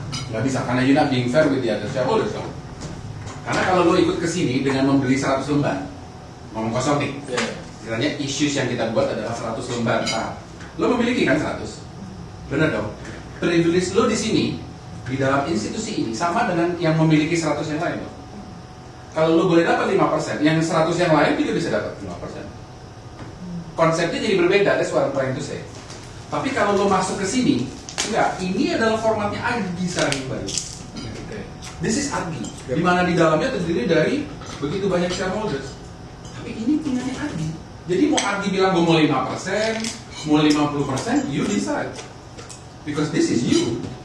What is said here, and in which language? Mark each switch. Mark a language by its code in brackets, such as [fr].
[id] Enggak bisa karena [en] you not being fair with the other shareholders. [id] Karena kalau lo ikut ke sini dengan membeli 100 lembar, ngomong kosong nih. [en] Yeah. [id] Sebenarnya issues yang kita buat adalah 100 lembar saham. Lo memiliki kan 100? Benar dong. Privilege lo di sini, di dalam institusi ini, sama dengan yang memiliki 100 yang lain. Kalau lo boleh dapat 5%, yang 100 yang lain juga bisa dapat 5%. Konsepnya jadi berbeda, [en] that's what I'm trying to say. [id] Tapi kalau lo masuk ke sini, enggak, ini adalah formatnya Agi secara kembali. [en] This is [id] Agi, dimana di dalamnya terdiri dari begitu banyak shareholders. Tapi ini punyanya Agi. Jadi mau Ardi bilang gue mau 5%, mau 50%, [en] you decide. Because this is you.